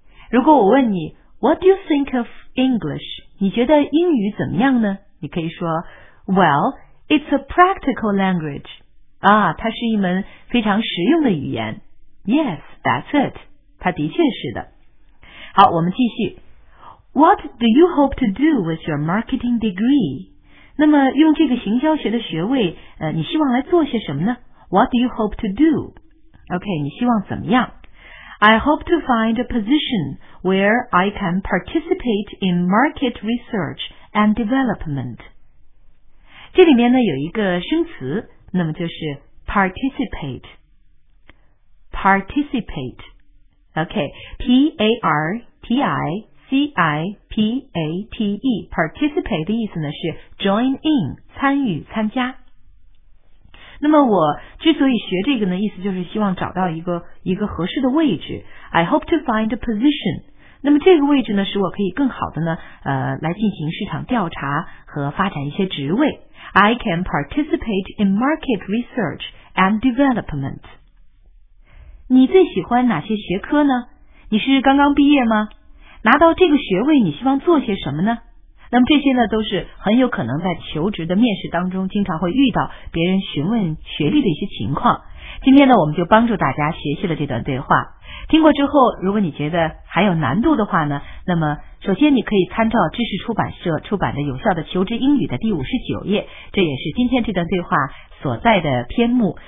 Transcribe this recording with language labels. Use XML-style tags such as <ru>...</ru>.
<zh>如果我问你</zh> <en>What do you think of English?</en> <zh>你觉得英语怎么样呢？你可以说</zh> <en>Well,It's a practical language.</en> <zh>啊，它是一门非常实用的语言。</zh> <en>Yes, that's it.</en> <zh>它的确是的。好，我们继续。</zh> <en>What do you hope to do with your marketing degree?</en> <zh>那么用这个行销学的学位，你希望来做些什么呢？</zh> <en>What do you hope to do? OK,</en> <zh>你希望怎么样？</zh> <en>I hope to find a position where I can participate in market research and development.</en> <zh>这里面呢有一个生词，那么就是 participate, participate, OK, P-A-R-T-I-C-I-P-A-T-E, participate 的意思呢是</zh> <en>join in,</en> <zh>参与参加。那么我之所以学这个呢，意思就是希望找到一个合适的位置，</zh> <en>I hope to find a position,</en> <zh>那么这个位置呢使我可以更好的呢来进行市场调查和发展一些职位。</zh> <en>I can participate in market research and development.</en> <zh>你最喜欢哪些学科呢？你是刚刚毕业吗？拿到这个学位你希望做些什么呢？那么这些呢都是很有可能在求职的面试当中经常会遇到别人询问学历的一些情况。今天呢，我们就帮助大家学习了这段对话。听过之后，如果你觉得还有难度的话呢，那么首先你可以参照知识出版社出版的有效的求职英语的第59页，这也是今天这段对话所在的篇目。</zh>